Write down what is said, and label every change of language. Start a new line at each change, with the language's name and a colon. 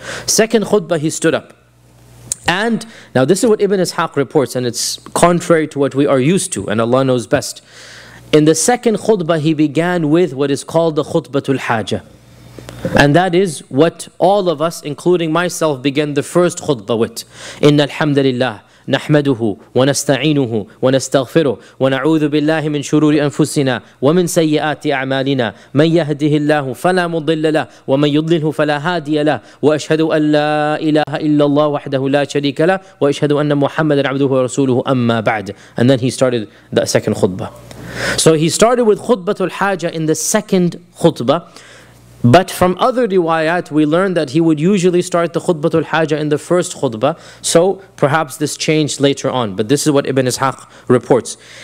English: Second khutbah, he stood up. And now this is what Ibn Ishaq reports, and it's contrary to what we are used to, and Allah knows best. In the second khutbah, he began with what is called the khutbatul haja. And that is what all of us, including myself, began the first khutbah with.
Arabic: Inna alhamdulillah. نحمده ونستعينه ونستغفره ونعوذ بالله من شرور أنفسنا ومن سيئات أعمالنا من يهده الله فلا مضل له ومن يضلله فلا هادي له وأشهد أن لا إله إلا الله وحده لا شريك له وأشهد أن محمدا عبده ورسوله أما بعد.
English: And then he started the second khutbah. So he started with khutbatul haja in the second khutbah. But from other riwayat, we learned that he would usually start the khutbatul haja in the first khutbah. So perhaps this changed later on. But this is what Ibn Ishaq reports.